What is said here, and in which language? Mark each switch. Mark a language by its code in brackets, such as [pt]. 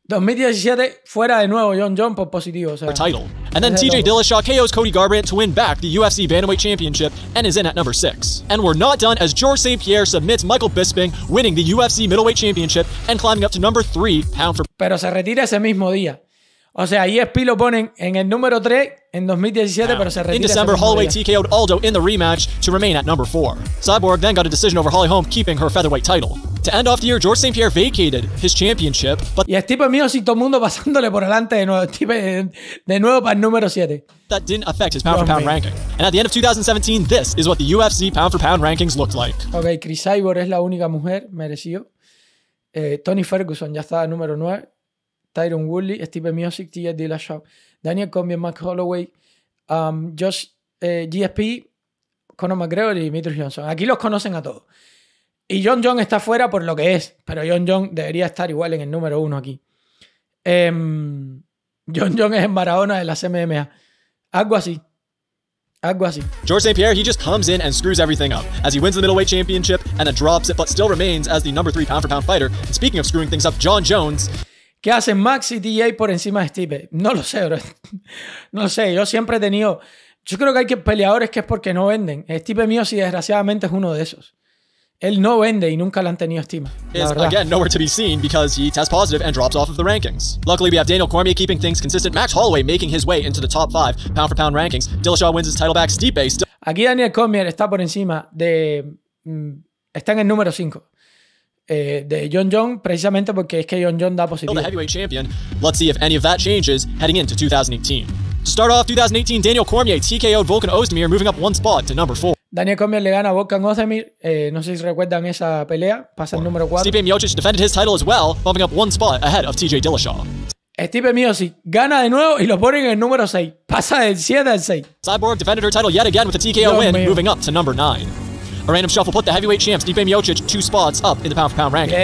[es] 2017, fuera de nuevo John Jones por positivo, o sea. [en] Her title. And then TJ Dillashaw KOs Cody Garbrandt to win back the UFC Bantamweight Championship and is in at number 6. And we're not done as George St. Pierre submits Michael Bisping, winning the UFC Middleweight Championship and climbing up to number 3 pound for. [es] Pero se retira ese mismo día. O sea, ahí ESPN lo ponen en el número 3 en 2017, pero se retira. [en] In December, Holloway TKO'd Aldo in the rematch to remain at number 4. Cyborg then got a decision over Holly Holm, keeping her featherweight title. To end off the year, George St. Pierre vacated his championship, but. [es] Y Stipe Miocic, todo el mundo pasándole por delante de nuevo. Stipe, de nuevo para el número 7. [en] That didn't affect his pound for pound ranking. And at the end of 2017, this is what the UFC pound for pound rankings looked like. [es] Ok, Chris Cyborg es la única mujer, merecido. Tony Ferguson ya está a número 9. Tyron Woodley, Stipe Miocic, TJ Dillashaw, Daniel Cormier, Mark Holloway, Josh GSP, Conor McGregor y Dimitrius Johnson. Aquí los conocen a todos. Y John Jones está fuera por lo que es, pero John Jones debería estar igual en el número 1 aquí. John Jones es en Barahona de la MMA. Algo así. Algo así. George St. [en] Pierre, he just comes in and screws everything up as he wins the middleweight championship and then drops it, but still remains as the number 3 pound for pound fighter. And speaking of screwing things up, John Jones. [es] ¿Qué hacen Max y DJ por encima de Stipe? No lo sé, bro. No lo sé. Yo siempre he tenido. Yo creo que hay que peleadores que es porque no venden. Stipe mío, sí, desgraciadamente, es uno de esos. Él no vende y nunca le han tenido estima. [en] Is again nowhere to be seen because he tests positive and drops off of the rankings. Luckily, we have Daniel Cormier keeping things consistent. Max Holloway making his way into the top 5 pound for pound rankings. Dillashaw wins his title back. Stipe still. [es] Aquí Daniel Cormier está por encima de. Está en el número 5. De John Jones, precisamente porque es que John Jones da positivo. [en] The heavyweight champion. Let's see if any of that changes heading into 2018. To start off 2018, Daniel Cormier TKO'd Volkan Ozdemir, moving up one spot to number 4. [es] Daniel Cormier le gana a Volkan Ozdemir. No sé si recuerdan esa pelea. Pasa al número 4. Stipe Miocic defended his title as well, bumping up one spot ahead of TJ Dillashaw. Stipe Miocic gana de nuevo y lo ponen en el número 6. Pasa del 7 al 6. [en] Cyborg defended her title yet again with a TKO [es] Dios [en] win, [es] mío. [en] Moving up to number 9. A random shuffle put the heavyweight champ Stipe Miocic 2 spots up in the pound-for-pound ranking.